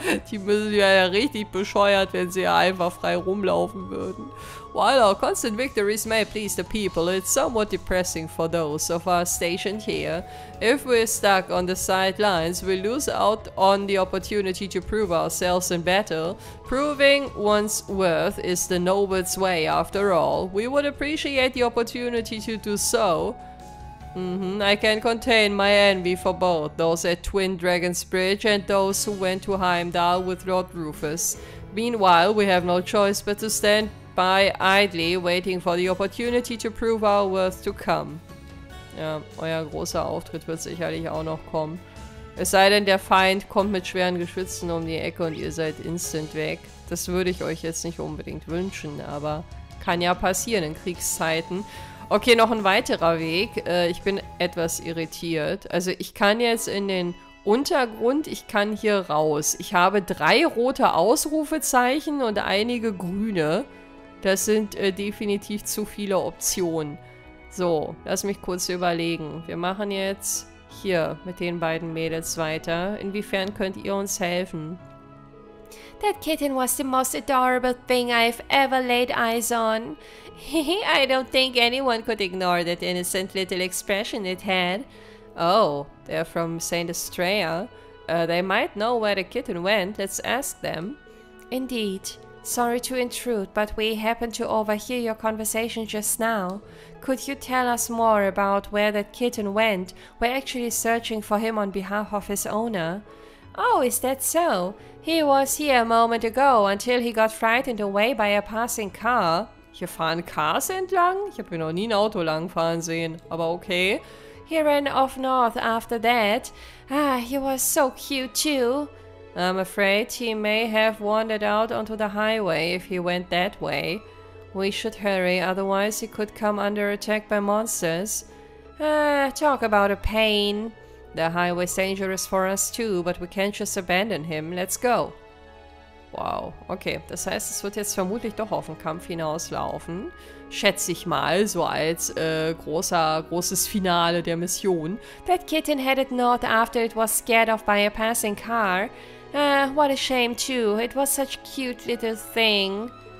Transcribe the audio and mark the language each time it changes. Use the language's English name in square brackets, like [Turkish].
[German] Die müssen ja richtig bescheuert, wenn sie ja einfach frei rumlaufen würden. [English] While our constant victories may please the people, it's somewhat depressing for those of us stationed here. If we're stuck on the sidelines, we lose out on the opportunity to prove ourselves in battle. Proving one's worth is the noble's way after all. We would appreciate the opportunity to do so. I can contain my envy for both those at Twin Dragons Bridge and those who went to Heimdall with Lord Rufus. Meanwhile, we have no choice but to stand by idly, waiting for the opportunity to prove our worth to come. [German] Ja, euer großer Auftritt wird sicherlich auch noch kommen. Es sei denn, der Feind kommt mit schweren Geschützen um die Ecke und ihr seid instant weg. Das würde ich euch jetzt nicht unbedingt wünschen, aber kann ja passieren in Kriegszeiten. Okay, noch ein weiterer Weg. Ich bin etwas irritiert. Also ich kann jetzt in den Untergrund, ich kann hier raus. Ich habe drei rote Ausrufezeichen und einige grüne. Das sind definitiv zu viele Optionen. So, lass mich kurz überlegen. Wir machen jetzt hier mit den beiden Mädels weiter. Inwiefern könnt ihr uns helfen? [English] That kitten was the most adorable thing I've ever laid eyes on. I don't think anyone could ignore that innocent little expression it had. Oh, they're from St. Estrella. They might know where the kitten went. Let's ask them. Indeed. Sorry to intrude, but we happened to overhear your conversation just now. Could you tell us more about where that kitten went? We're actually searching for him on behalf of his owner. Oh, is that so? He was here a moment ago until he got frightened away by a passing car. [German] Hier fahren Cars entlang? Ich habe hier noch nie ein Auto langfahren sehen, aber okay. [English] He ran off north after that. Ah, he was so cute too. I'm afraid he may have wandered out onto the highway if he went that way. We should hurry, otherwise he could come under attack by monsters. Talk about a pain. The highway's dangerous for us too, but we can't just abandon him. Let's go. Wow, okay. [German] Das heißt, es wird jetzt vermutlich doch auf den Kampf hinauslaufen. Schätze ich mal, so als großes Finale der Mission. [English] That kitten headed north after it was scared off by a passing car. What a shame too. It was such a cute little thing.